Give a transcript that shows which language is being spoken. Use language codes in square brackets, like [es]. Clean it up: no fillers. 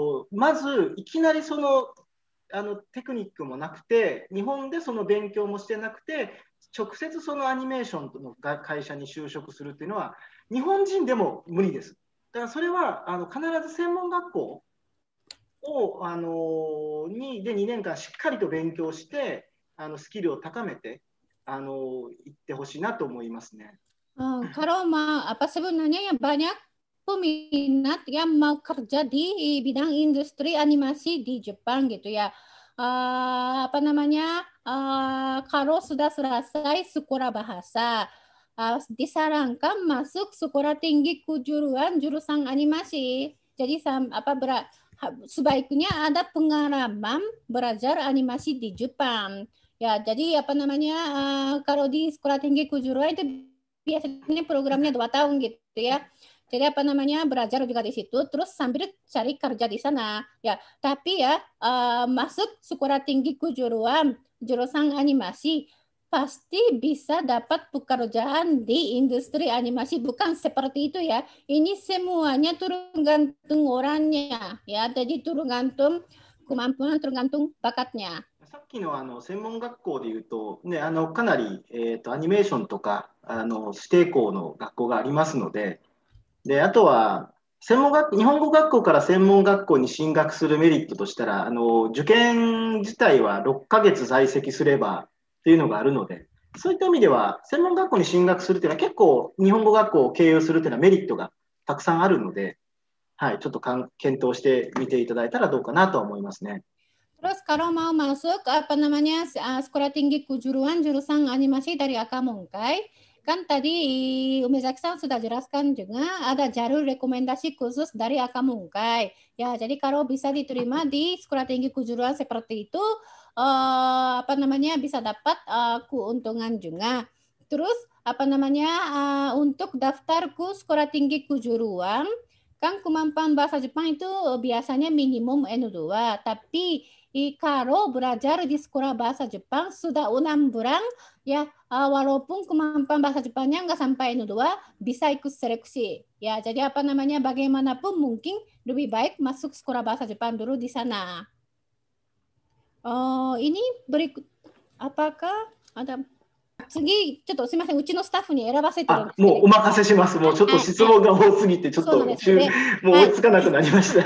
[ja] まずいきなりそのテクニックもなくて日本でその勉強もしてなくて直接そのアニメーションの会社に就職するっていうのは日本人でも無理です。だからそれは必ず専門学校を、で2年間しっかりと勉強してスキルを高めて行ってほしいなと思いますね。 [id] カローマアパセブナニャバニャpeminat yang mau kerja di bidang industri animasi di Jepang gitu ya. Apa namanya kalau sudah selesai sekolah bahasa disarankan masuk sekolah tinggi kejuruan jurusan animasi. Jadi sebaiknya ada pengalaman belajar animasi di Jepang. Ya, jadi apa namanya, kalau di sekolah tinggi kujuruan itu biasanya programnya 2 tahun gitu ya. Jadi apa namanya, belajar juga di situ, terus sambil cari kerja di sana. Ya, tapi ya masuk sekolah tinggi kujuruan, jurusan animasi, pasti bisa dapat pekerjaan di industri animasi. Bukan seperti itu ya. Ini semuanya tergantung orangnya. Ya, jadi tergantung kemampuan, tergantung bakatnya. [ja] さっきの、 専門学校でいうと、ね、かなり、アニメーションとか指定校の学校がありますの で、 であとは専門学日本語学校から専門学校に進学するメリットとしたら受験自体は6ヶ月在籍すればというのがあるのでそういった意味では専門学校に進学するというのは結構日本語学校を経由するというのはメリットがたくさんあるので、はい、ちょっと検討してみていただいたらどうかなと思いますね。 [id] Terus kalau mau masuk apa namanya sekolah tinggi kejuruan jurusan animasi dari Akamongkai, kan tadi Umezaki-san sudah jelaskan juga ada jalur rekomendasi khusus dari Akamongkai. Ya, jadi kalau bisa diterima di sekolah tinggi kejuruan seperti itu, apa namanya bisa dapat keuntungan juga. Terus apa namanya untuk daftar ke sekolah tinggi kejuruan, kan kemampuan bahasa Jepang itu biasanya minimum N2, tapi kalau belajar di sekolah bahasa Jepang sudah 6 bulan ya, walaupun kemampuan bahasa Jepangnya nggak sampai N2 bisa ikut seleksi ya. Jadi apa namanya, bagaimanapun mungkin lebih baik masuk sekolah bahasa Jepang dulu di sana. Ini berikut apakah ada [ja] 次ちょっとすみません、うちのスタッフに選ばせていただきます。もうお任せします。もうちょっと質問が多すぎてちょっと、はいはいうね、もう追いつかなくなりました。